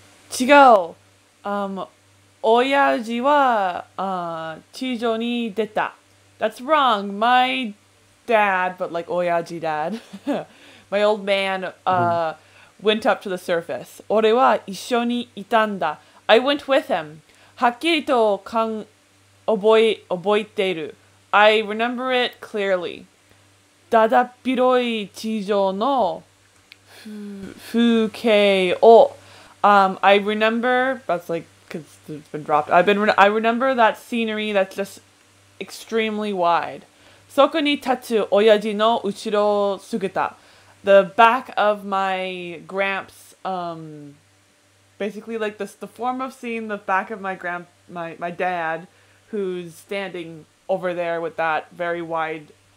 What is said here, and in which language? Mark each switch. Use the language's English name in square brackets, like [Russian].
[Japanese] 違う。親父は地上に出た。 [English] That's wrong. My dad, but like 親父 dad, my old man, went up to the surface. [Japanese] 俺は一緒にいたんだ。 [English] I went with him. [Japanese] はっきりと覚えている。 [English] I remember it clearly. [Japanese] だだっ広い地上の風景を [English] I remember, that's like, because it's been dropped, I remember that scenery that's just extremely wide. [Japanese] そこに立つ親父の後ろ姿 [English] The back of my gramps, basically like the form of seeing the back of my gramp, my dad, who's standing over there with that very wide...